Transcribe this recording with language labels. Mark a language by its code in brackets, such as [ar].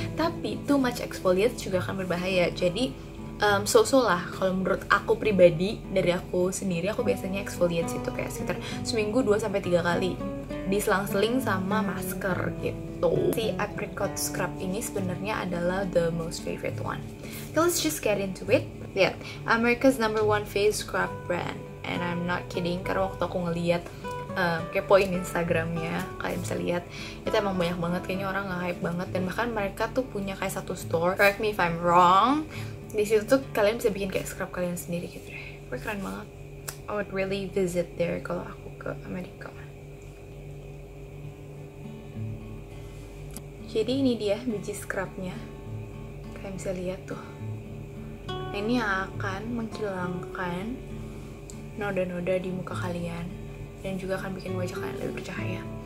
[id] Tapi too much exfoliate juga akan berbahaya. Jadi so-so lah. Kalau menurut aku pribadi, dari aku sendiri, aku biasanya exfoliate itu kayak sekitar seminggu 2-3 kali di selang-seling sama masker gitu. [en] Si apricot scrub ini sebenarnya adalah the most favorite one. Okay, let's just get into it. [id] Lihat, America's number one face scrub brand. And I'm not kidding, karena waktu aku ngeliat kepoin Instagramnya, kalian bisa lihat itu emang banyak banget, kayaknya orang nge-hype banget. Dan bahkan mereka tuh punya kayak satu store, correct me if I'm wrong, di situ tuh kalian bisa bikin kayak scrub kalian sendiri gitu deh. Wah, keren banget. [en] I would really visit there kalau aku ke Amerika. [id] Jadi ini dia biji scrubnya, kalian bisa lihat tuh. Nah, ini akan menghilangkan noda-noda di muka kalian dan juga akan bikin wajah kalian lebih bercahaya.